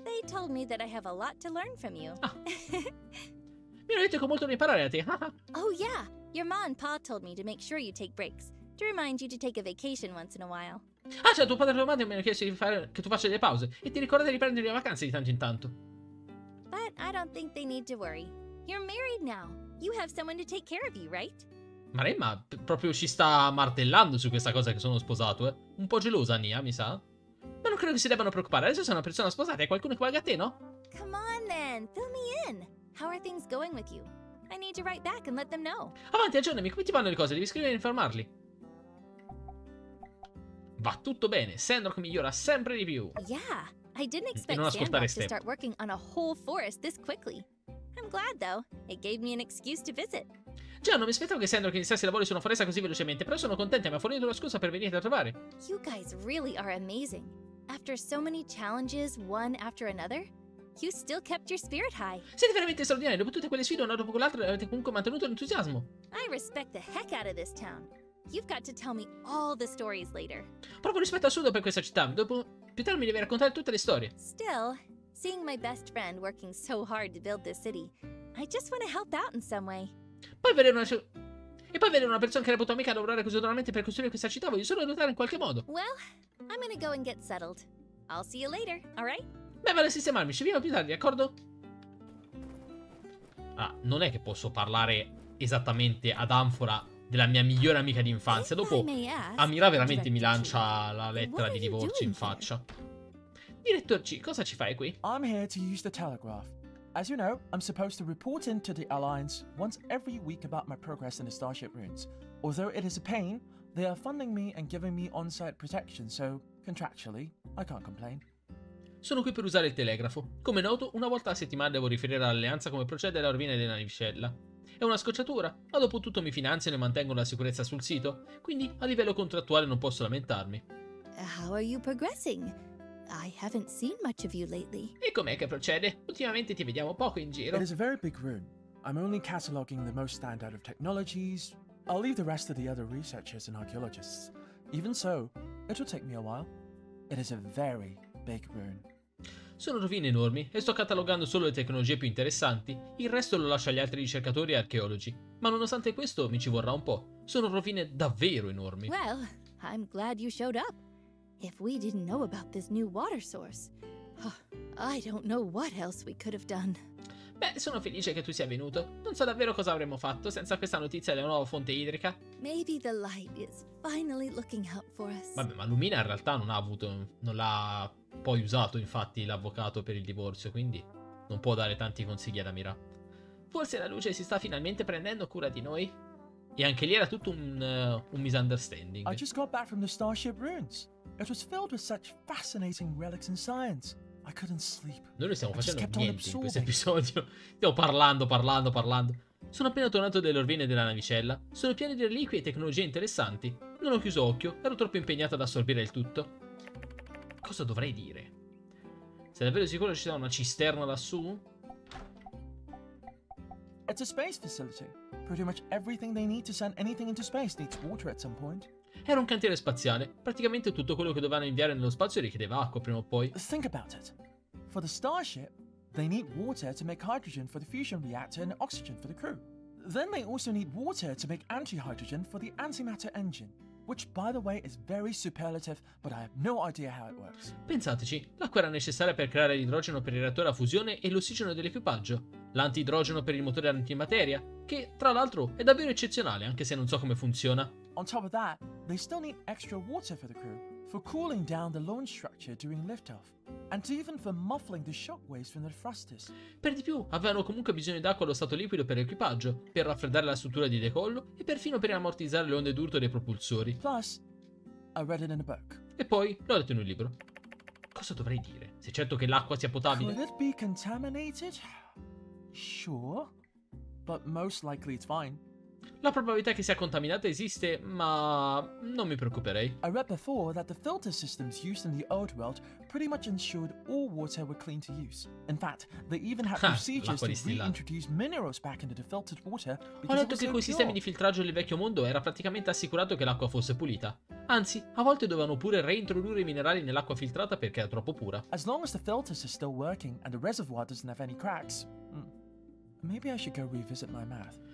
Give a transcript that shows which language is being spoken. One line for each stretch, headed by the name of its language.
English: They told me that I have a lot to learn from you. Ah.
Italian: Mi hanno detto che ho molto da imparare da te.
English: Oh yeah, your mom and pa told me to make sure you take breaks. To remind you to take a vacation once in a while.
Italian: Ah, cioè, tuo padre e tua madre mi hanno chiesto di fare che tu faccia delle pause e ti ricorda di prendere le vacanze di tanto in tanto.
English: But I don't think they need to worry. You're married now. You have someone to take care of you, right?
Italian: Maremma, proprio ci sta martellando su questa cosa che sono sposato, eh. Un po' gelosa, Nia, mi sa. Ma non credo che si debbano preoccupare. Adesso sei una persona sposata e qualcuno che valga a te, no?
English: Come on, then. Fill me in. How are things going with you? I need to write back and let them know.
Italian: Avanti, aggiornami. Come ti vanno le cose? Devi scrivere e informarli. Va tutto bene, Sandrock migliora sempre di più.
English: Yeah, I didn't expect Sandrock to start working on a whole forest this quickly. I'm glad though, it gave me an excuse to visit.
Italian: Già, non mi aspettavo che Sandrock iniziasse i lavori su una foresta così velocemente, però sono contenta, mi ha fornito una scusa per venire a trovare.
English: You guys really are amazing. After so many challenges, one after another, you still kept your spirit high.
Italian: Siete veramente straordinari, dopo tutte quelle sfide, una dopo l'altra, avete comunque mantenuto l'entusiasmo.
English: I respect the heck out of this town. You've got to tell me all the stories later.
Italian: Proprio rispetto assurdo per questa città. Dopo, più tardi mi devi raccontare tutte le storie.
English: Still, seeing my best friend working so hard to build this city, I just want to help out in some way.
Italian: E poi vedere una persona che era potuta amica lavorare così duramente per costruire questa città, voglio solo aiutare in qualche modo.
English: Well, I'm gonna go and get settled. I'll see you later, alright?
Italian: Beh, vale sistemarmi, ci vediamo più tardi, d'accordo? Ah, non è che posso parlare esattamente ad Anfora della mia migliore amica di infanzia. Dopo Amira veramente mi lancia la lettera di divorzio in faccia. Director C, cosa ci fai qui?
English: I'm here to use the telegraph. As you know, I'm supposed to report into the Alliance once every week about my progress in the Starship Ruins. Although it is a pain, they are funding me and giving me on-site protection, so contractually, I can't complain.
Italian: Sono qui per usare il telegrafo. Come noto, una volta a settimana devo riferire all'Alleanza come procede la rovina della navicella. È una scocciatura, ma dopo tutto mi finanziano e mantengono la sicurezza sul sito, quindi a livello contrattuale non posso lamentarmi.
English: How are you progressing? I haven't seen much of you lately.
Italian: E com'è che procede? Ultimamente ti vediamo poco in giro.
English: It is a very big room. I'm only cataloging the most standard of technologies. I'll leave the rest to the other researchers and archaeologists. Even so, it will take me a while. It is a very big room.
Italian: Sono rovine enormi e sto catalogando solo le tecnologie più interessanti, il resto lo lascio agli altri ricercatori e archeologi. Ma nonostante questo mi ci vorrà un po'. Sono rovine davvero enormi.
English: Well, I'm glad you showed up. If we didn't know about this new water source, I don't know what else we could have done.
Italian: Beh, sono felice che tu sia venuto. Non so davvero cosa avremmo fatto senza questa notizia della nuova fonte idrica.
English: Maybe the light is finally looking out for us.
Italian: Vabbè, ma Lumina in realtà non l'ha poi usato, infatti, l'avvocato per il divorzio, quindi non può dare tanti consigli ad Amira. Forse la luce si sta finalmente prendendo cura di noi. E anche lì era tutto un misunderstanding.
English: I just got back from the Starship Ruins. It was filled with such fascinating relics and science. I couldn't sleep.
Italian: Noi non stiamo facendo niente in questo episodio. Stiamo parlando. Sono appena tornato dalle rovine della navicella. Sono pieni di reliquie e tecnologie interessanti. Non ho chiuso occhio, ero troppo impegnato ad assorbire il tutto. Cosa dovrei dire? Sei davvero sicuro ci sia una cisterna lassù?
English: It's a space facility. Pretty much everything they need to send anything into space needs water at some point.
Italian: Era un cantiere spaziale. Praticamente tutto quello che dovevano inviare nello spazio richiedeva acqua prima o poi.
English: Think about it. For the starship, they need water to make hydrogen for the fusion reactor and oxygen for the crew. Then they also need water to make anti-hydrogen for the antimatter engine, which, by the way, is very superlative, but I have no idea how it works.
Italian: Pensateci, l'acqua era necessaria per creare l'idrogeno per il reattore a fusione e l'ossigeno dell'equipaggio, l'antidrogeno per il motore antimateria, che, tra l'altro, è davvero eccezionale, anche se non so come funziona.
English: On top of that, they still need extra water for the crew, for cooling down the launch structure during liftoff, and even for muffling the shockwaves from the thrusters.
Italian: Per di più, avevano comunque bisogno d'acqua allo stato liquido per l'equipaggio, per raffreddare la struttura di decollo e perfino per ammortizzare le onde d'urto dei propulsori.
English: Plus, I read it in a book.
Italian: E poi l'ho letto in un libro. Cosa dovrei dire? Se è certo che l'acqua sia potabile.
English: Could it be contaminated? Sure, but most likely it's fine.
Italian: La probabilità che sia contaminata esiste, ma non mi preoccuperei.
English: I read before that the filter systems used in the old world pretty much ensured all water were clean to use. In fact, they even had procedures to reintroduce minerals back into the filtered water.
Italian: Ho letto che con i sistemi di filtraggio del vecchio mondo era praticamente assicurato che l'acqua fosse pulita. Anzi, a volte dovevano pure reintrodurre i minerali nell'acqua filtrata perché era troppo pura.
English: As long as the filters are still working and the reservoir doesn't have any cracks, maybe I should go revisit my math.